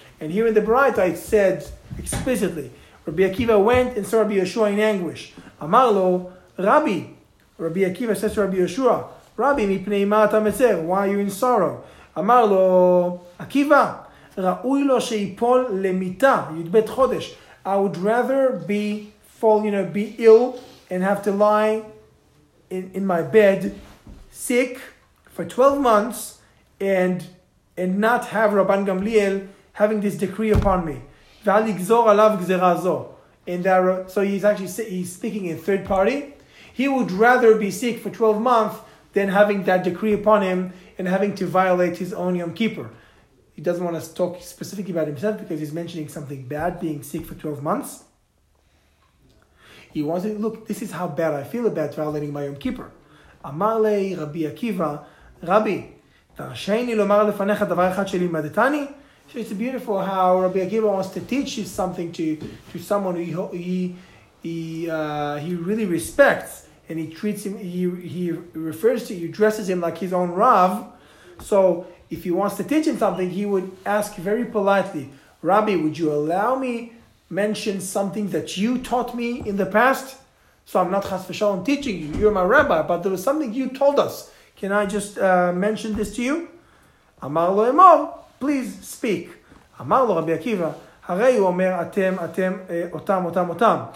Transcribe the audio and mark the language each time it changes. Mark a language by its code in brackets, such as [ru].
[en] And here in the Baraita it said explicitly, Rabbi Akiva went and saw Rabbi Yeshua in anguish. Amarlo, Rabbi, Rabbi Akiva says to Rabbi Yeshua, Rabbi, [he] mipnei ma ata metzer, [en] why are you in sorrow? Amarlo, Akiva, [he] ראוי לו שיפול למיטה, י"ב חודש. [en] I would rather be fall, you know, be ill and have to lie in my bed sick for 12 months and not have Rabban Gamliel having this decree upon me. [he] ואל יגזור עליו גזרה זו. [en] And that, so he's speaking in third party. He would rather be sick for 12 months than having that decree upon him and having to violate his own Yom Kippur. He doesn't want to talk specifically about himself because he's mentioning something bad, being sick for 12 months. He wants to, look, this is how bad I feel about violating my Yom Kippur. [he] אמר לי רבי עקיבא, רבי, תרשני לומר לפניך דבר אחד שלימדתני. [en] So it's beautiful how Rabbi Akiva wants to teach you something to someone who he really respects, and he treats him, he refers to, he dresses him like his own Rav. So if he wants to teach him something, he would ask very politely, Rabbi, would you allow me mention something that you taught me in the past? So I'm not Chas V'Shalom teaching you, you're my Rabbi, but there was something you told us. Can I just mention this to you? [he] Amar lo emor. [en] Please speak. אמר לו רבי עקיבא, הרי הוא אומר אתם אותם אותם אותם.